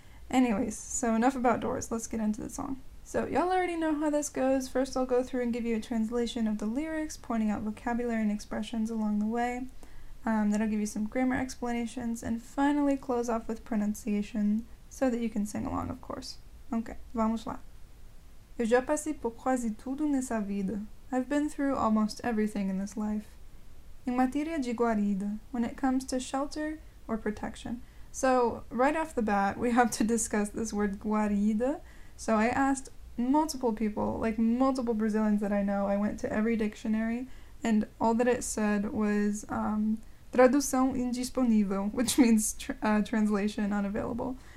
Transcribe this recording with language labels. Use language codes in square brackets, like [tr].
[en] Anyways, so enough about doors, let's get into the song. So y'all already know how this goes. First I'll go through and give you a translation of the lyrics, pointing out vocabulary and expressions along the way. Then I'll give you some grammar explanations, and finally close off with pronunciation, so that you can sing along, of course. [pt] Okay, vamos lá. Eu já passei por quase tudo nessa vida. [en] I've been through almost everything in this life. [pt] Em matéria de guarida, [en] when it comes to shelter or protection. So, right off the bat, we have to discuss this word guarida. So I asked multiple people, like multiple Brazilians that I know, I went to every dictionary, and all that it said was [pt] tradução indisponível, [en] which means translation unavailable.